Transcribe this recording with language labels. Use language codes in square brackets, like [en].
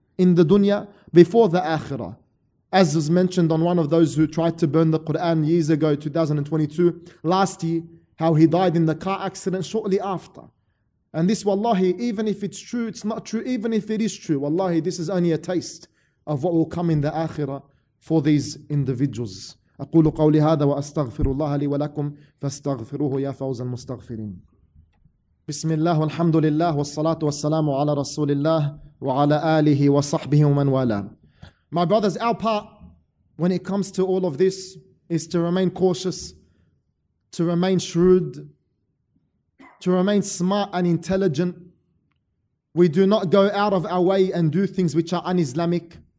[en] In the dunya before the akhirah. As was mentioned on one of those who tried to burn the Quran years ago, 2022, last year, how he died in the car accident shortly after. And this, wallahi, even if it's true, it's not true. Even if it is true, wallahi, this is only a taste of what will come in the akhirah for these individuals. [ar] أقول قولي هذا وأستغفر الله لي ولكم فاستغفروه يا فوز المستغفرين بسم الله والحمد لله والصلاة والسلام على رسول الله وعلى آله وصحبه ومن والاه. [en] My brothers, our part when it comes to all of this is to remain cautious, to remain shrewd, to remain smart and intelligent. We do not go out of our way and do things which are un-Islamic.